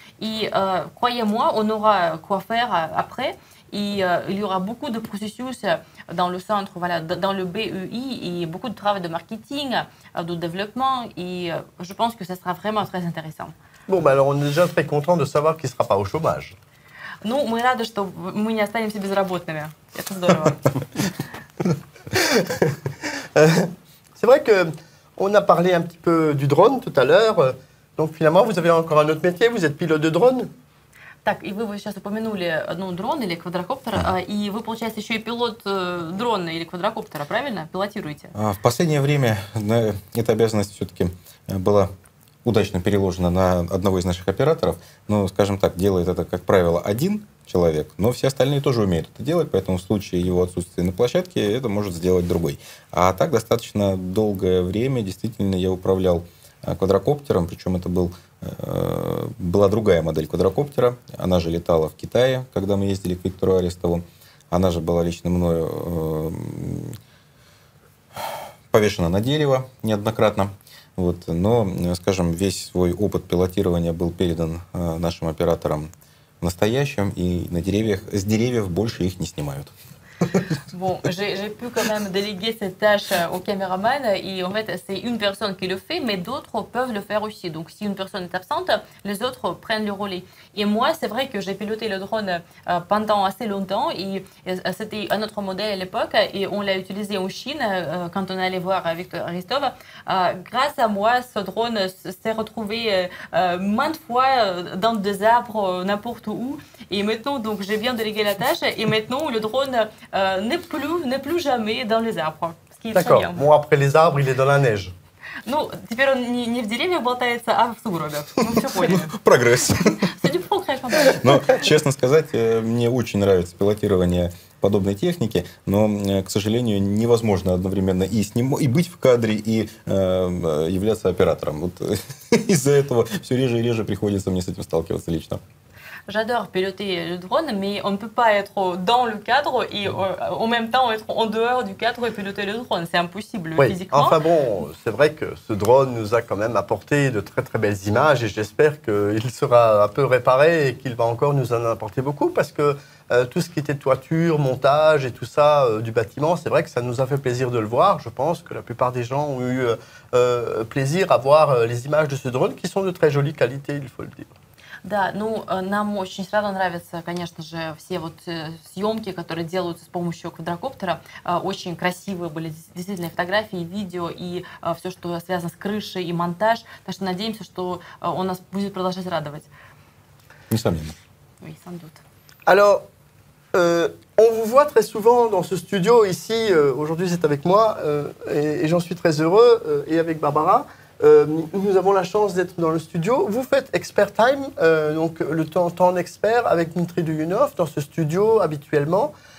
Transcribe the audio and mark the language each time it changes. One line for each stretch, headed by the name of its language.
French: Et croyez-moi, on aura quoi faire après. Et il y aura beaucoup de processus dans le centre, voilà, dans le BEI, et beaucoup de travail de marketing, de développement. Et je pense que ça sera vraiment très intéressant. Bon, bah alors on est déjà très content de savoir qu'il ne sera pas au chômage.
Russian: Nous, мы рады, что мы не останемся безработными. Это здорово.
French: C'est vrai que on a parlé un petit peu du drone tout à l'heure. Donc finalement, vous avez encore un autre métier. Вы êtes pilote de drone.
Russian: Так, и вы сейчас упомянули, ну, дрон или квадрокоптер, и вы, получается, еще и пилот дрона или квадрокоптера, правильно? Пилотируете. В последнее время эта обязанность все-таки была удачно переложена на одного из наших операторов. Ну, скажем так, делает это, как правило, один человек, но все остальные тоже умеют это делать, поэтому в случае его отсутствия на площадке это может сделать другой. А так достаточно долгое время действительно я управлял квадрокоптером, причем это была другая модель квадрокоптера. Она же летала в Китае, когда мы ездили к Виктору Арестову. Она же была лично мною повешена на дерево неоднократно. Вот. Но, скажем, весь свой опыт пилотирования был передан нашим операторам в настоящем, и на деревьях, с деревьев больше их не снимают.
French: Bon, j'ai pu quand même déléguer cette tâche au caméraman et en fait, c'est une personne qui le fait, mais d'autres peuvent le faire aussi. Donc, si une personne est absente, les autres prennent le relais. Et moi, c'est vrai que j'ai piloté le drone pendant assez longtemps et c'était un autre modèle à l'époque et on l'a utilisé en Chine quand on est allé voir Victor Aristov. Grâce à moi, ce drone s'est retrouvé maintes fois dans des arbres n'importe où. Et maintenant, donc, j'ai bien délégué la tâche et maintenant, le drone... n'est plus jamais dans les arbres. Ce qui est d'accord. Très bien. Bon, après les arbres, il est dans la neige.
Russian: Ну, теперь он не в деревьях болтается, а в сугробе. Ну, все поняли. Прогресс. Судя по крайней мере. Но, честно сказать, мне очень нравится пилотирование подобной техники, но, к сожалению, невозможно одновременно и и быть в кадре, и являться оператором. Вот из-за этого все реже и реже приходится мне с этим сталкиваться лично.
French: J'adore piloter le drone, mais on ne peut pas être dans le cadre et en même temps être en dehors du cadre et piloter le drone. C'est impossible, oui, physiquement. Enfin bon, c'est vrai que ce drone nous a quand même apporté de très très belles images et j'espère qu'il sera un peu réparé et qu'il va encore nous en apporter beaucoup parce que tout ce qui était toiture, montage et tout ça du bâtiment, c'est vrai que ça nous a fait plaisir de le voir. Je pense que la plupart des gens ont eu plaisir à voir les images de ce drone qui sont de très jolie qualité, il faut le dire.
Russian: Да, ну, нам очень сразу нравятся, конечно же, все вот съемки, которые делаются с помощью квадрокоптера. Очень красивые были действительно фотографии, видео и все, что связано с крышей и монтаж. Так что надеемся, что он нас будет продолжать радовать. Несомненно.
French: Oui, sans doute. Alors, on vous voit très souvent dans ce studio ici. Aujourd'hui, c'est avec moi et j'en suis très heureux et avec Barbara. Nous avons la chance d'être dans le studio. Vous faites Expert Time, donc le temps d'expert avec Dmitri Duyunov dans ce studio habituellement.